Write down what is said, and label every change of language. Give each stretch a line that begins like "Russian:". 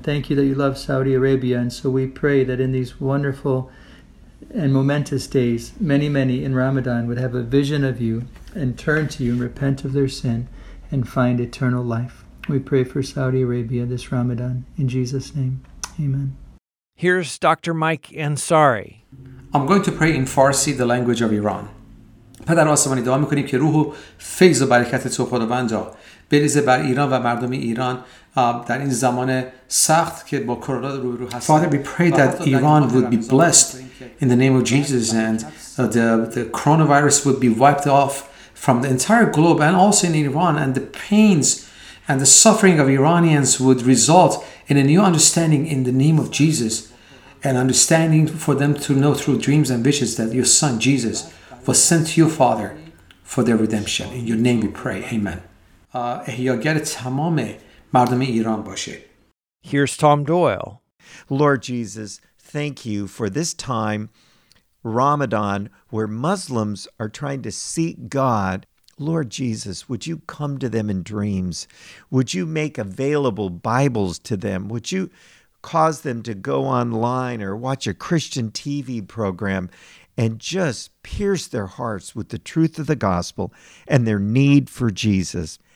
English: Thank you that you love Saudi Arabia. And so we pray that in these wonderful and momentous days, many, many in Ramadan would have a vision of you and turn to you and repent of their sin and find eternal life. We pray for Saudi Arabia this Ramadan. In Jesus' name, amen. Here's Dr. Mike Ansari. I'm going to pray in Farsi, the language of Iran.
Persian: پدر آسمانی دعا میکنیم که روح و فیض و برکت تو خداوند بریزه بر ایران و مردم ایران در این زمان سخت که با کرونا روبرو هستند.
English: Father, we pray that Iran would be blessed in the name of Jesus and the coronavirus would be wiped off from the entire globe and also in Iran, and the pains and the suffering of Iranians would result in a new understanding in the name of Jesus, and understanding for them to know through dreams and visions that your son Jesus was sent to your Father for their redemption. In your name we pray. Amen.
Persian: احیاگر تمام مردم ایران باشه.
English: Here's Tom Doyle. Lord Jesus, thank you for this time, Ramadan, where Muslims are trying to seek God. Lord Jesus, would you come to them in dreams? Would you make available Bibles to them? Would you cause them to go online or watch a Christian TV program and just pierce their hearts with the truth of the gospel and their need for Jesus?